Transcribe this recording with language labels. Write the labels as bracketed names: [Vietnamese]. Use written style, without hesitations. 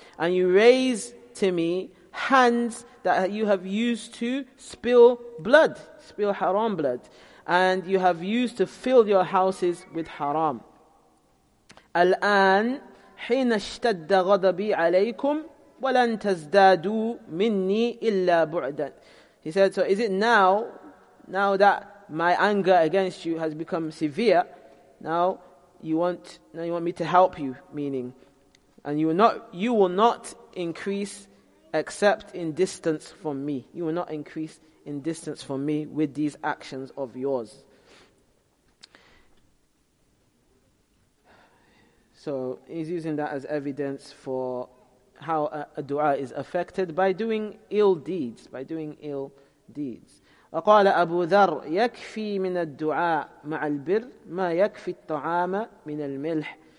[English] And you raise to me hands that you have used to spill blood, spill haram blood, and you have used to fill your houses with haram. [Arabic] الآن حين اشتد غضبي عليكم ولن تزدادوا مني إلا بعدا. [English] He said, so is it now that my anger against you has become severe, now you want me to help you, meaning, and you will not increase except in distance from me. You will not increase in distance from me with these actions of yours. So he's using that as evidence for how a dua is affected by doing ill deeds, by doing ill deeds. [Arabic] وقال أبو ذر يكفي من الدعاء مع البر ما يكفي الطعام من الملح.